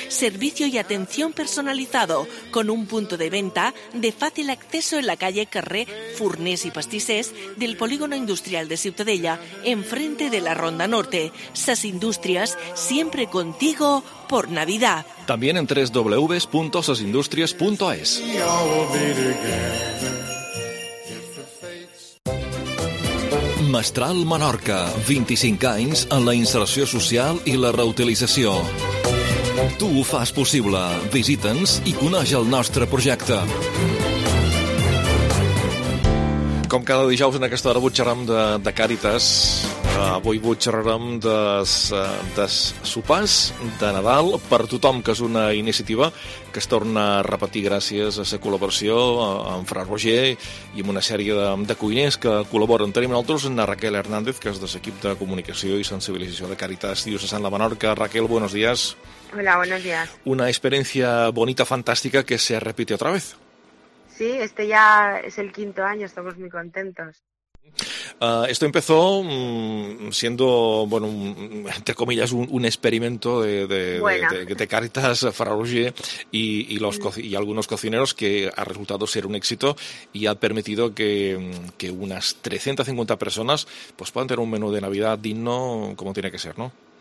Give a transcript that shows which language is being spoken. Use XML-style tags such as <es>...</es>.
<es>Servicio y atención personalizado, con un punto de venta de fácil acceso en la calle Carré, Furnés y Pastissers del Polígono Industrial de Ciutadella, enfrente de la Ronda Norte. SAS Industrias, siempre contigo por Navidad. También en www.sasindustrias.es.</es> <ca>Mestral Menorca, 25 anys en la inserció social i la reutilització. Tu ho fas possible. Visita'ns i coneix el nostre projecte. Com cada dijous en aquesta hora, butxarem de Càritas. Avui butxarrem des sopars de Nadal per tothom, que és una iniciativa que es torna a repetir gràcies a la col·laboració amb Fra Roger i amb una sèrie de cuiners que col·laboren. Tenim nosaltres en Raquel Hernández, que és de l'equip de comunicació i sensibilització de Càritas Diocesana de Menorca.</ca> <es>Raquel, buenos días. Hola, buenos días. Una experiencia bonita, fantástica, que se repite otra vez. Sí, este ya es el quinto año, estamos muy contentos. Esto empezó siendo, bueno, entre comillas, un experimento de Càritas, Ferran Roger y algunos cocineros, que ha resultado ser un éxito y ha permitido que unas 350 personas pues puedan tener un menú de Navidad digno, como tiene que ser, ¿no?</es>